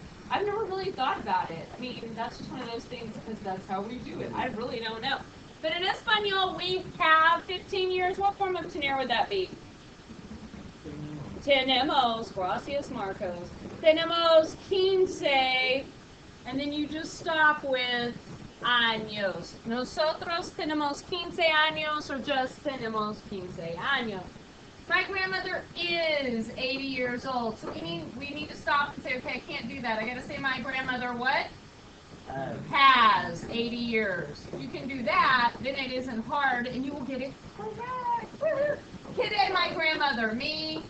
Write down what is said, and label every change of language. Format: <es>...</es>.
<en>I've never really thought about it. I mean, that's just one of those things, because that's how we do it. I really don't know. But in Espanol, we have 15 years. What form of tener would that be?</en> <es>Tenemos, gracias Marcos.</es> <en>Tenemos 15, and then you just stop with años.</en> <es>Nosotros tenemos 15 años, or just tenemos 15 años.</es> <en>My grandmother is 80 years old, so we need to stop and say, okay, I can't do that. I gotta say my grandmother what? Has 80 years. If you can do that, then it isn't hard, and you will get it correct. Today, my grandmother, me,</en>